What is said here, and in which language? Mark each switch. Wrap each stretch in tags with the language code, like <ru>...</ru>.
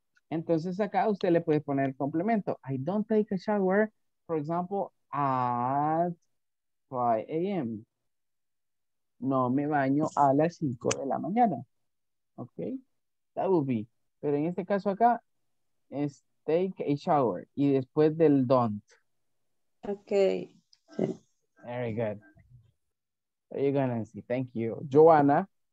<es>Entonces acá usted le puede poner el complemento.</es> <en>I don't take a shower, for example, at 5 a.m.</en> <es>No me baño a las 5 de la mañana.</es> <en>Ok, that would be.</en> <es>Pero en este caso acá es</es> <en>take a shower</en> <es>y después del don't. Ok.</es> <en>Very good. There you go, Nancy. Thank you. Joanna.</en>